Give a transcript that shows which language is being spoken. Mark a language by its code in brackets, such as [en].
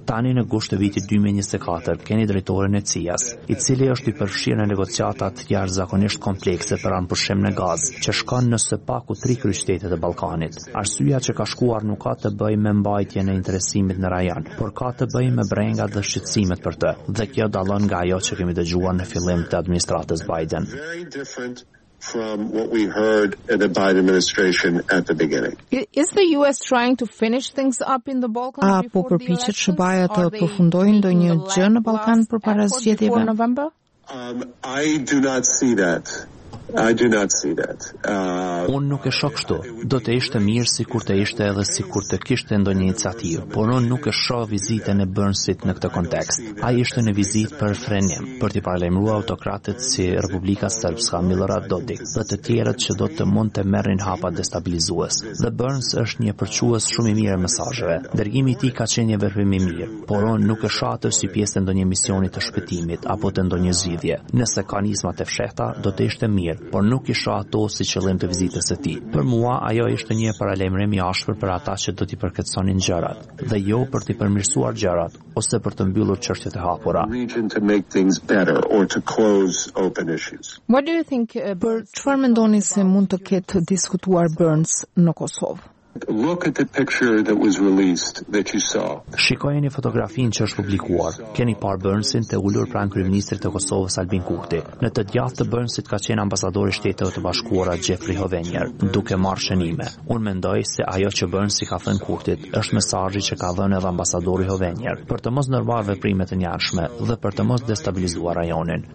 [sq] Tani në gusht të vitit 2024 keni drejtorin e CIA-s, i cili është i përfshirë në negociatat jashtëzakonisht komplekse për anëpushim në gaz, që shkon në sepaku tri qytetet e Ballkanit. Arsyeja që ka shkuar nuk ka të bëjë me mbajtje në interesimit në rajon, por ka të bëjë me brengat dhe shqetësimet për të, dhe kjo dallon nga ajo që kemi dëgjuar në fillim të administratës Biden. [en] From what we heard in the Biden administration at the beginning. Is the US trying to finish things up in the Balkans before the election? [sq] Apo përpiqet SBA-ja të përfundojë ndonjë gjë në Ballkan përpara zgjedhjeve? [en] I do not see that. I do not see that. [sq] Unë nuk e shoh kështu. Do të ishte mirë sikur të ishte edhe sikur të kishte ndonjë iniciativë, por unë nuk e shoh vizitën e Burnsit në këtë kontekst. Ai ishte në vizitë për frenim, për të paralajmëruar autokratët si Republika Srpska Milorad Dodik, për të tjerët që do të mund të merrin hapa destabilizues. The Burns është një përçues shumë i mirë mesazheve. Dërgimi i tij ka qenë një veprim i mirë, por unë nuk e shoh atë si pjesë e ndonjë misioni të shpëtimit apo të ndonjë zgjidhje. Nëse ka nisma të fshehta, do të ishte mirë. Por nuk isha ato si qëllim të vizitës e ti. Për mua, ajo ishte një paralajmërim i ashpër për ata që do t'i përkeqësonin gjërat, dhe jo për t'i përmirësuar gjërat, ose për të mbyllur çështjet e hapura. Për çfarë mendoni se mund të ketë diskutuar Burns në Kosovë? [en] Look at the picture that was released that you saw. [sq] Shikojeni fotografinë që është publikuar. Keni parë Burnsin të ulur pranë kryeministrit të Kosovës Albin Kurti. Në të djathtë të Burnsit ka qenë ambasadori i Shteteve të Bashkuara Jeffrey Hovenier, duke marrë shënime. Unë mendoj se ajo që Burnsi ka thënë Kurtit është mesazhi që ka dhënë edhe ambasadori Hovenier për të mos ndërmarrë veprime të njashme dhe për të mos destabilizuar rajonin.